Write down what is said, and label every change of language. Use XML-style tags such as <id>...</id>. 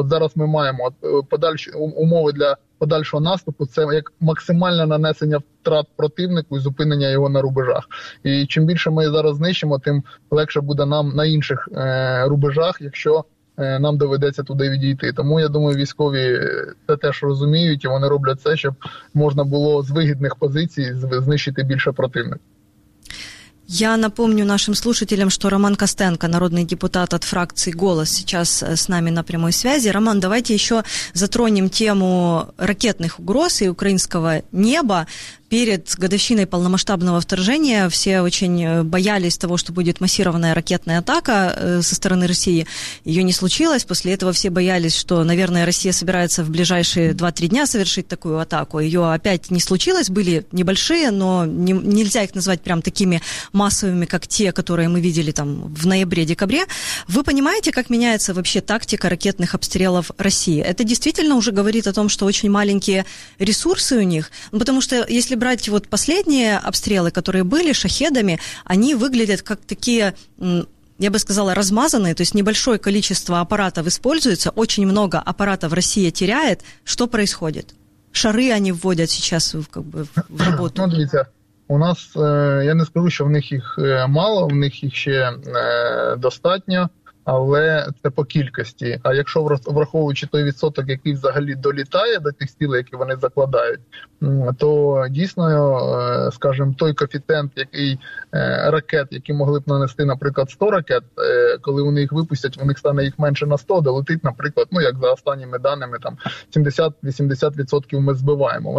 <uk>От зараз ми маємо умови для подальшого наступу, це як максимальне нанесення втрат противнику і зупинення його на рубежах. І чим більше ми зараз знищимо, тим легше буде нам на інших рубежах, якщо нам доведеться туди відійти. Тому, я думаю, військові це теж розуміють, і вони роблять це, щоб можна було з вигідних позицій знищити більше противника.</uk> <ru>Я напомню нашим слушателям, что Роман Костенко, народный депутат от фракции «Голос», сейчас с нами на прямой связи. Роман, давайте еще затронем тему ракетных угроз и украинского неба. перед годовщиной полномасштабного вторжения все очень боялись того, что будет массированная ракетная атака со стороны России. Ее не случилось. После этого все боялись, что, наверное, Россия собирается в ближайшие 2-3 дня совершить такую атаку. Ее опять не случилось. Были небольшие, но нельзя их назвать прям такими массовыми, как те, которые мы видели там в ноябре-декабре. Вы понимаете, как меняется вообще тактика ракетных обстрелов России? Это действительно уже говорит о том, что очень маленькие ресурсы у них? Потому что если брать вот последние обстрелы, которые были шахедами, они выглядят как такие, я бы сказала, размазанные, то есть небольшое количество аппаратов используется, очень много аппаратов Россия теряет. Что происходит? Шары они вводят сейчас как бы в работу.</ru> <uk>Ну, дивіться, у нас, я не скажу, що в них їх мало, в них їх ще достатньо, але це по кількості. А якщо враховуючи той відсоток, який взагалі долітає до тих цілей, які вони закладають, то дійсно, скажімо, той коефіцієнт, який ракет, які могли б нанести, наприклад, 100 ракет, коли вони їх випустять, в них стане їх менше на 100, долетить, наприклад, ну, як за останніми даними, там 70-80% ми збиваємо.</uk>